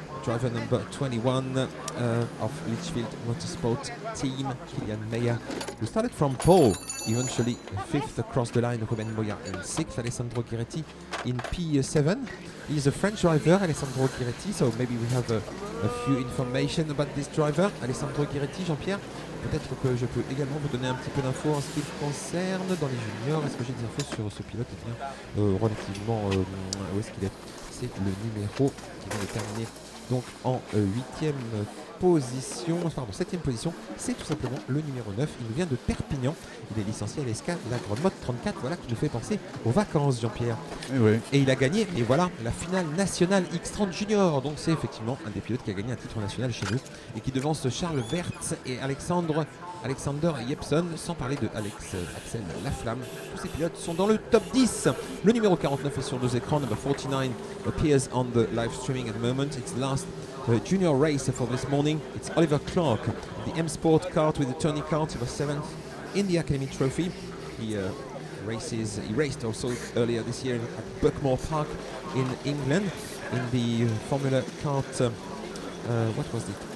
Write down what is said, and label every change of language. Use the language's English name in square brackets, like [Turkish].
[English] Driver number 21 of Litchfield Motorsport team, Kylian Meyer, who started from pole, eventually fifth across the line, Ruben Moya in sixth, Alessandro Ghiretti in P7. He's a French driver, Alessandro Ghiretti, so maybe we have a few information about this driver, Alessandro Ghiretti. [French] Jean-Pierre, peut-être que je peux également vous donner un petit peu d'infos en ce qui concerne dans les juniors. Est-ce que j'ai des infos sur ce pilote? Eh bien, relativement, où est-ce qu'il est? C'est le numéro qui vient de terminer. Donc en 7e position, c'est tout simplement le numéro 9. Il vient de Perpignan. Il est licencié à l'ESCA, la Grande Motte 34. Voilà qui nous fait penser aux vacances, Jean-Pierre. Et, oui. Et il a gagné, et voilà, la finale nationale X30 Junior. Donc c'est effectivement un des pilotes qui a gagné un titre national chez nous et qui devance Charles Wertz et Alexander Jepsen, sans parler de Axel Laflamme. Tous ces pilotes sont dans le top 10. Le numéro 49 est sur nos écrans. [English] Number 49 appears on the live streaming at the moment. It's the last junior race for this morning. It's Oliver Clark, the M-Sport kart with the Tony kart. He was 7th in the Academy Trophy. He raced also earlier this year at Buckmore Park in England in the Formula kart. What was it?